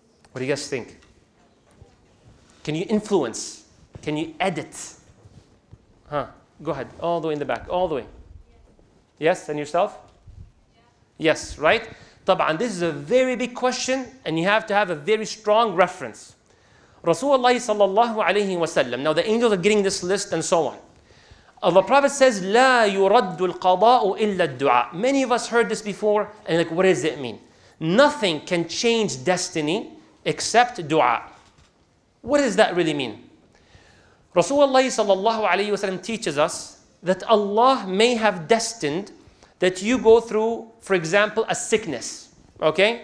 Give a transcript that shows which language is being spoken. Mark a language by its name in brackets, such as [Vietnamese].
[English] What do you guys think? Can you influence? Can you edit? Huh? Go ahead, all the way in the back, all the way. Yes, and yourself? Yeah. Yes, right? طبعاً, this is a very big question, and you have to have a very strong reference. Rasulullah sallallahu alayhi wa sallam. Now the angels are getting this list and so on. The Prophet says, [Arabic] لَا يُرَدُّ الْقَضَاءُ إِلَّا الدُّعَى. [English] Many of us heard this before, and like, what does it mean? Nothing can change destiny except dua. What does that really mean? Rasulullah sallallahu alayhi wa sallam teaches us that Allah may have destined that you go through, for example, a sickness. Okay?